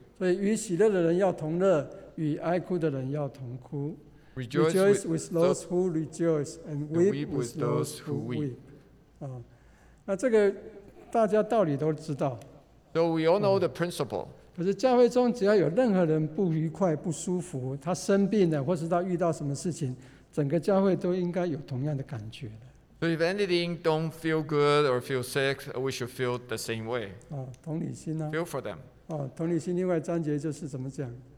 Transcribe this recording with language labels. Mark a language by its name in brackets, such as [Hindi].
[Chinese] 所以与喜乐的人要同乐。与哀哭的人要同哭。 [English] Rejoice with those who rejoice and weep with those who weep. [Chinese] 那这个大家道理都知道。 [English] So we all know the principle. [Chinese] 可是教会中只要有任何人不愉快、不舒服，他生病了或是他遇到什么事情，整个教会都应该有同样的感觉。 [English] So if anything don't feel good or feel sick, we should feel the same way. [Chinese] 同理心啊。 [English] Feel for them. [Chinese] 同理心另外章节就是怎么讲？